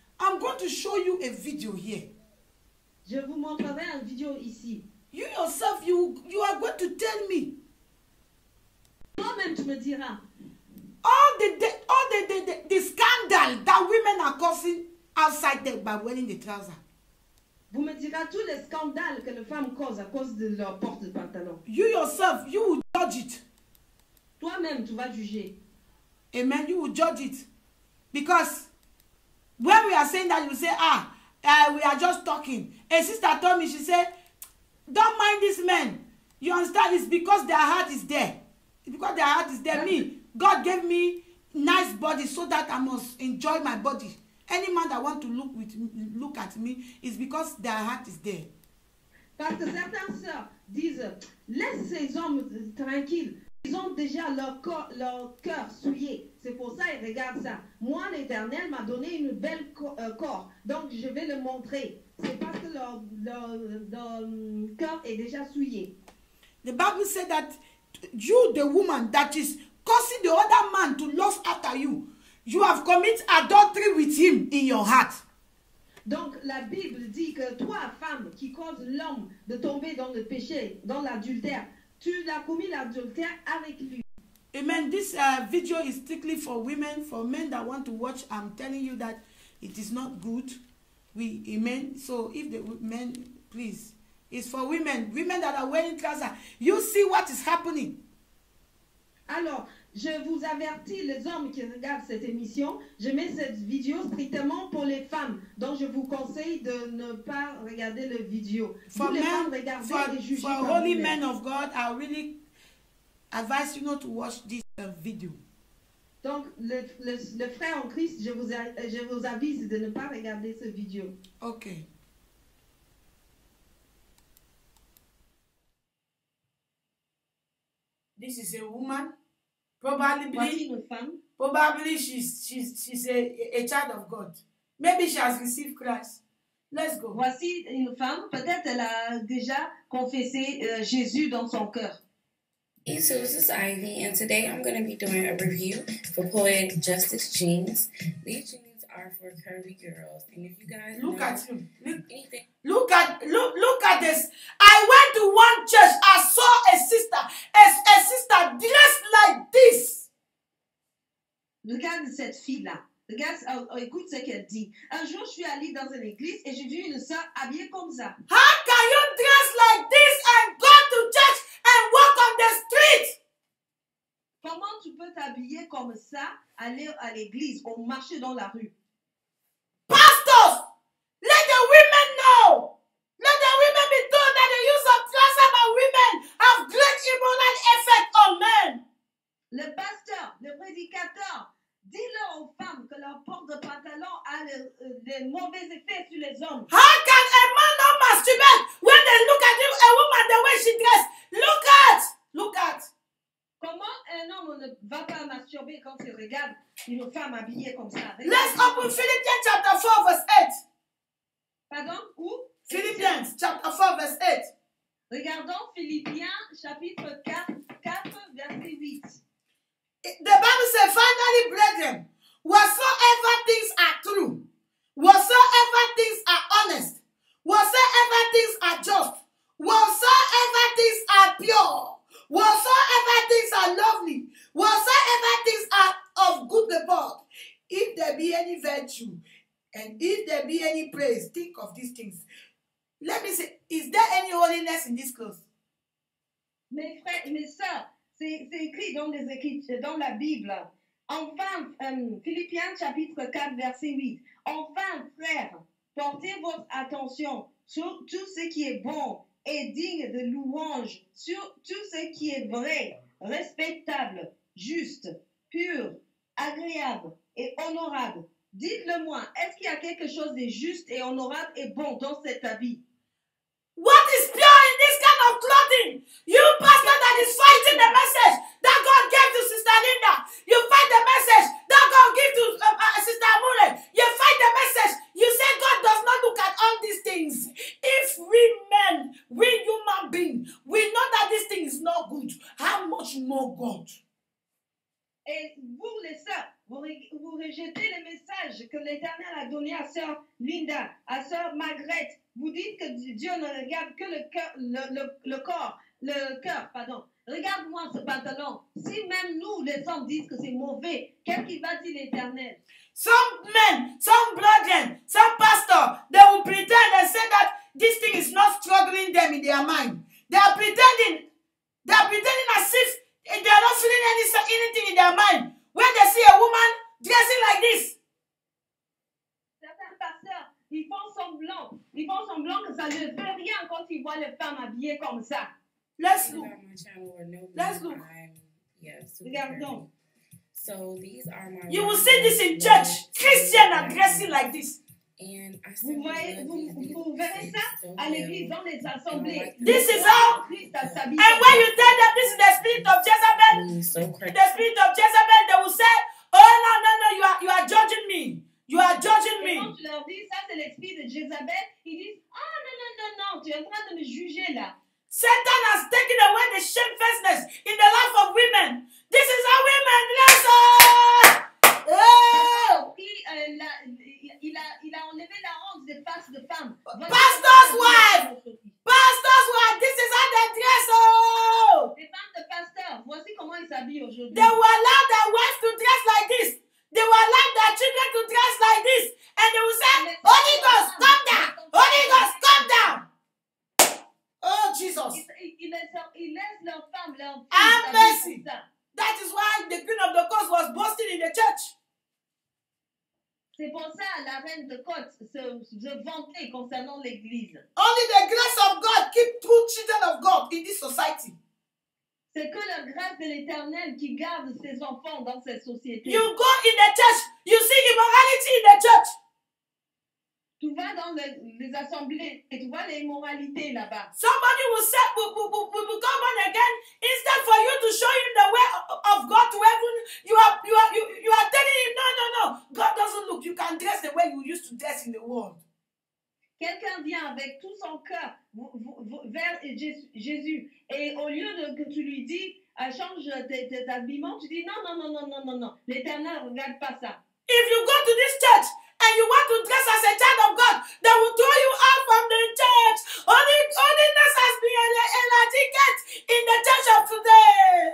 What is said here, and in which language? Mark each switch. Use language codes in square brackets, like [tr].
[en] I'm going to show you a video here. [fr] Je vous montrerai une vidéo ici. [en] You yourself, you are going to tell me. [fr] Toi-même, tu me diras. [en] All the scandal that women are causing outside there by wearing the trousers. [fr] Vous me diras tous les scandales que les femmes causent à cause de leur porte de pantalon. [en] You yourself, you will judge it. [fr] Toi-même, tu vas juger. [en] Amen, you will judge it. Because when we are saying that, you say, we are just talking. A sister told me, she said, don't mind this man. You understand? It's because their heart is there. Because their heart is there. Me, God gave me nice body so that I must enjoy my body. Any man that wants to look at me, it's because their heart is there. [fr] Parce que certains soeurs disent, laisse ces hommes tranquilles. Ils ont déjà leur cœur souillé. C'est pour ça qu'ils regardent ça. Moi, l'Éternel m'a donné une belle corps. Donc, je vais le montrer. C'est parce que leur cœur est déjà souillé. [en] The Bible said that you, the woman, that is causing the other man to lust after you, you have committed adultery with him in your heart. [fr] Donc, la Bible dit que toi, femme, qui cause l'homme de tomber dans le péché, dans l'adultère, tu l'as commis l'adultère avec lui. [en] Amen. This video is strictly for women, for men that want to watch. I'm telling you that it is not good. Amen. So if the men, please, it's for women that are wearing trousers. You see what is happening. [fr] Alors, je vous avertis, les hommes qui regardent cette émission, je mets cette vidéo strictement pour les femmes. Donc, je vous conseille de ne pas regarder la vidéo. [en] For [fr] les men, regardez for, les juges for holy même. [en] Men of God, I really advise you not to watch this video. [fr] Donc, le frère en Christ, je vous avise de ne pas regarder cette vidéo. [en] Ok. This is a woman. Probably she's a child of God. Maybe she has received Christ. Let's go. [fr] Voici une femme. Peut-être elle a déjà confessé Jésus dans son cœur. [en] Hey, so this is Ivy, and today I'm going to be doing a review for Poetic Justice Jeans. These jeans are for curvy girls. And if you guys look at him. Look at this. I went to one church. I saw a sister dressed like this. [fr] Regarde cette fille-là. Écoute ce qu'elle dit. Un jour, je suis allée dans une église et j'ai vu une soeur habillée comme ça. [en] How can you dress like this and go to church and walk on the street? [fr] Comment tu peux t'habiller comme ça, aller à l'église ou marcher dans la rue? [en] Pastors, let the women know. Let the women be told that the use of dress about women have great immoral effect on men. [fr] Le pasteur, le prédicateur, dis-leur aux femmes que leur porte de pantalon a des mauvais effets sur les hommes. [en] How can a man not masturbate when they look at him, a woman the way she dresses? Look at. [fr] Comment un homme ne va pas masturber quand il regarde une femme habillée comme ça? Regarde. [en] Let's open Philippians chapter 4 verse 8. [fr] Pardon? Où? [en] Philippians chapter 4 verse 8. [fr] Regardons Philippiens chapitre 4 verset 8. [en] The Bible says, finally, brethren, whatsoever things are true, whatsoever things are honest, whatsoever things are just, whatsoever things are pure, whatsoever things are lovely, whatsoever things are of good report, if there be any virtue and if there be any praise, think of these things. Let me say, is there any holiness in this clause? [fr] Mes frères, mes sœurs, C'est écrit dans les Écritures, dans la Bible. Enfin, Philippiens chapitre 4, verset 8. Enfin, frères, portez votre attention sur tout ce qui est bon et digne de louange, sur tout ce qui est vrai, respectable, juste, pur, agréable et honorable. Dites-le-moi, est-ce qu'il y a quelque chose de juste et honorable et bon dans cet habit? [en] What is pure in this kind of clothing? You pastor that is fighting the message that God gave to Sister Linda. You fight the message that God gave to Sister Amule. You fight the message. You say God does not look at all these things. If we men, we human beings, we know that this thing is not good, how much more God? [fr] Et vous, les sœurs, vous rejetez le message que l'Éternel a donné à sœur Linda, à sœur Margaret. Vous dites que Dieu ne regarde que le cœur. Regarde-moi ce pantalon. Si même nous, les hommes, disent que c'est mauvais, qu'est-ce qu'il va dire l'Éternel? [en] Some men, some brethren, some pastors, they will pretend and say that this thing is not struggling them in their mind. They are pretending as if they are not feeling anything in their mind when they see a woman dressing like this. [fr] Certains pasteurs, ils font semblant que ça ne veut rien quand ils voient les femmes habillées comme ça. [en] Let's look. [fr] Regardons. [en] So these are my. You will see this in church. Christian are dressing like this. And [fr] vous verrez ça à l'église dans les assemblées. [en] This is how. And when you tell them this is the spirit of Jezebel, the spirit of Jezebel, they will say, oh no, you are judging me. You are judging me. [fr] Quand tu leur dis ça, c'est l'esprit de Jézabel, ils disent, oh non, tu es en train de me juger là. [en] Satan has taken away the shamefacedness in the life of women. This is how women dress. Oh! [fr] Il a enlevé la honte des faces de femmes. [en] Pastor's wife, this is how they dress. Oh! [fr] Les femmes de pasteur, voici comment ils s'habillent aujourd'hui. [en] They will allow their wives to dress like this. They will allow their children to dress like this. And they will say, Holy Ghost, come down. Holy Ghost, come down. Oh, Jesus. [fr] Il laisse leur femme, leur fille, [en] have mercy. That is why the Queen of the Courts was boasting in the church. [fr] C'est pour ça la reine de Côte se vantait concernant l'église. [en] Only the grace of God keep true children of God in this society. [fr] C'est que la grâce de l'Éternel qui garde ses enfants dans cette société. [en] You go in the church, you see immorality in the church. [fr] Tu vas dans les assemblées et tu vois l'immoralité là-bas. [en] Somebody will say, will come on again. Instead for you to show him the way of God to heaven, you are telling him, no. God doesn't look. You can dress the way you used to dress in the world. [fr] Quelqu'un vient avec tout son cœur vers Jésus et au lieu de que tu lui dis, change tes habillements, tu dis non. L'Éternel regarde pas ça. [en] If you go to this church and you want to dress as a child of God, they will throw you out from the church. Holiness has been eradicated in the church of today.